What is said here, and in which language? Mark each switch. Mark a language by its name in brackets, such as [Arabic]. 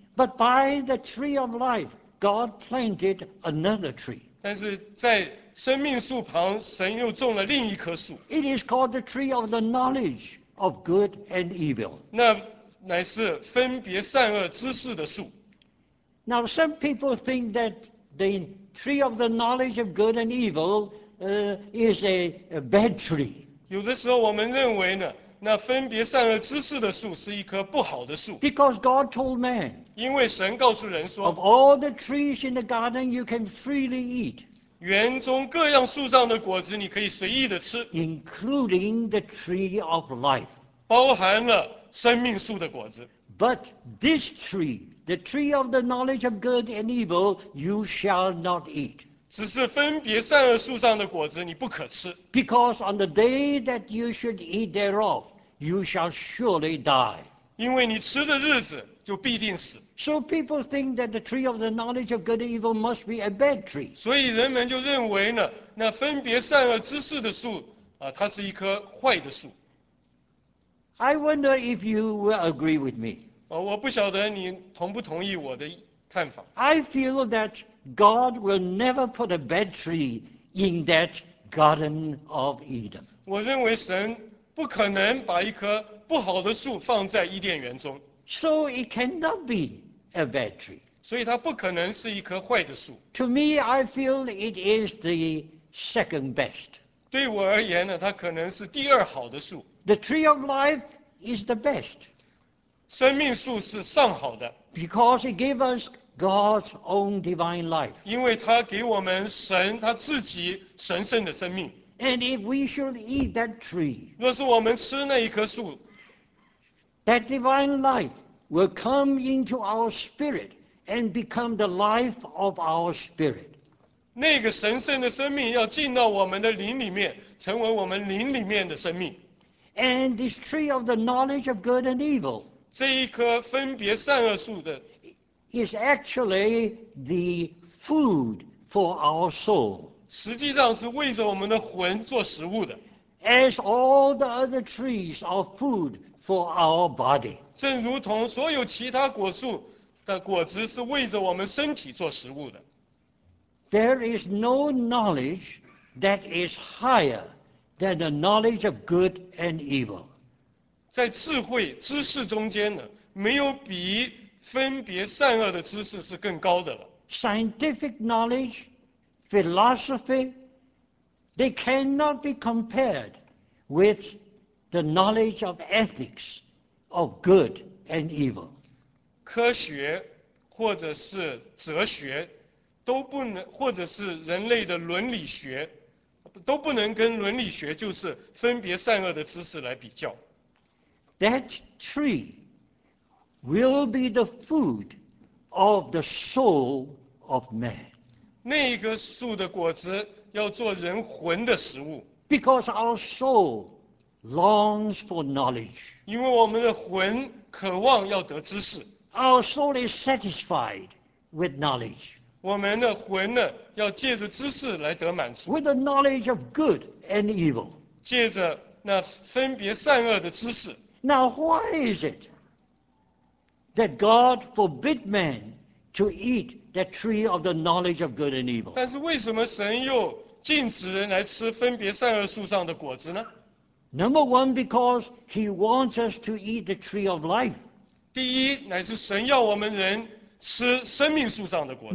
[English] But by the tree of life, God planted another tree. [Chinese] 但是在生命树旁，神又种了另一棵树。 [English] It is called the tree of the knowledge of good and evil. [Chinese] 那乃是分别善恶知识的树。 [English] Now some people think that the tree of the knowledge of good and evil, is a bad tree. [Chinese] 有的时候我们认为呢，那分别善恶知识的树是一棵不好的树。 [English] Because God told man. [Chinese] 因为神告诉人说。 [English] Of all the trees in the garden, you can freely eat. [Chinese] 园中各样树上的果子你可以随意的吃。 [English] Including the tree of life. [Chinese] 包含了生命树的果子。 [English] But this tree, the tree of the knowledge of good and evil, you shall not eat. [Chinese] 只是分别善恶树上的果子，你不可吃。 [English] Because on the day that you should eat thereof, you shall surely die. [Chinese] 因为你吃的日子就必定死。 [English] So people think that the tree of the knowledge of good and evil must be a bad tree. [Chinese] 所以人们就认为呢，那分别善恶知识的树啊，它是一棵坏的树。 [English] I wonder if you will agree with me. [Chinese] 我不晓得你同不同意我的看法。 [English] I feel that God will never put a bad tree in that Garden of Eden. [Chinese] 我认为神不可能把一棵不好的树放在伊甸园中。 [English] So it cannot be a bad tree. [Chinese] 所以它不可能是一棵坏的树。 [English] To me, I feel it is the second best. [Chinese] 对我而言呢，它可能是第二好的树。 [English] The tree of life is the best. [Chinese] 生命树是上好的。 [English] Because it gave us God's own divine life. [Chinese] 因为它给我们神他自己神圣的生命。 [English] And if we should eat that tree, [Chinese] 若是我们吃那一棵树。 [English] That divine life will come into our spirit and become the life of our spirit. [Chinese] 那个神圣的生命要进到我们的灵里面，成为我们灵里面的生命。 [English] And this tree of the knowledge of good and evil, [Chinese] 这一棵分别善恶树的 [English] is actually the food for our soul. [Chinese] 实际上是为着我们的魂做食物的。 [English] As all the other trees are food for our body. [Chinese] 正如同所有其他果树的果子是为着我们身体做食物的。 [English] There is no knowledge that is higher than the knowledge of good and evil. [Chinese] 在智慧知识中间呢，没有比分别善恶的知识是更高的了。 [English] Scientific knowledge, philosophy, they cannot be compared with the knowledge of ethics of good and evil. [Chinese] 科学或者是哲学都不能，或者是人类的伦理学都不能跟伦理学，就是分别善恶的知识来比较。 [English] That tree will be the food of the soul of man. [Chinese] 那一棵树的果子要做人魂的食物。 [English] Because our soul longs for knowledge. [Chinese] 因为我们的魂渴望要得知识。 [English] Our soul is satisfied with knowledge. [Chinese] 我们的魂呢，要借着知识来得满足。 [English] With the knowledge of good and evil. [Chinese] 借着那分别善恶的知识。 [English] Now why is it that God forbid man to eat the tree of the knowledge of good and evil? [Chinese] 但是为什么神又禁止人来吃分别善恶树上的果子呢？ [English] Number one, because he wants us to eat the tree of life. [Chinese] 第一，乃是神要我们人吃生命树上的果子。